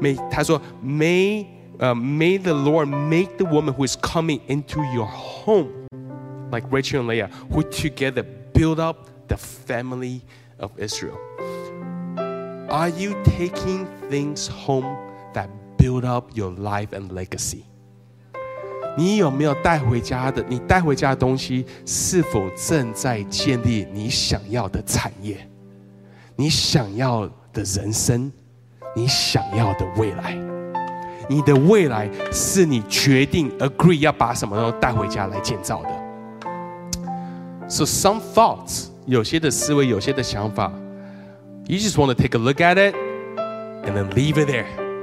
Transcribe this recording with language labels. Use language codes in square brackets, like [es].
[zh] 他说 [en] May the Lord make the woman who is coming into your homeLike Rachel and Leah, who together build up the family of Israel. Are you taking things home that build up your life and legacy? [zh] 你有没有带回家的？你带回家的东西是否正在建立你想要的产业？你想要的人生？你想要的未来？你的未来是你决定 agree 要把什么东西带回家来建造的。 [en] So some thoughts, [zh] 有些的思维，有些的想法， [en] you just want to take a look at it and then leave it there.